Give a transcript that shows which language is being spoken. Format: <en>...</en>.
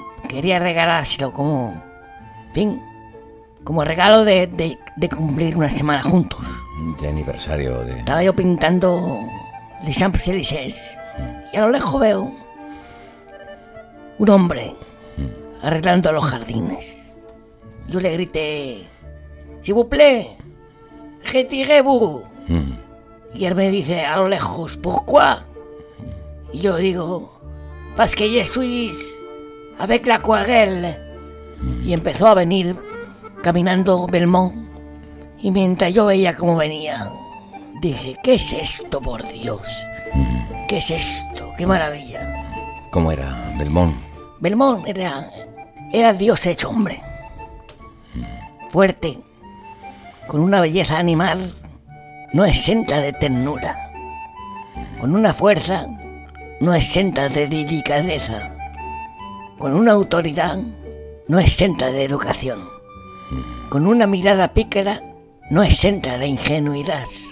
<es>Quería regalárselo como, en fin, como regalo de cumplir una semana juntos. De aniversario de... Estaba yo pintando Les Champs-Élysées y a lo lejos veo un hombre arreglando los jardines. Yo le grité,</es> <fr>s'il vous plaît, retirez-vous.</fr> <es>Y él me dice a lo lejos,</es> <fr>pourquoi?</fr> <es>Y yo digo,</es> <fr>parce que je suis avec la aquarelle.</fr> <es>Y empezó a venir caminando Belmont. Y mientras yo veía cómo venía, dije, ¿qué es esto, por Dios? ¿Qué es esto? ¡Qué maravilla! ¿Cómo era Belmont? Belmont era Dios hecho hombre. Fuerte, con una belleza animal no exenta de ternura, con una fuerza no exenta de delicadeza, con una autoridad no exenta de educación, con una mirada pícara no exenta de ingenuidad.</es>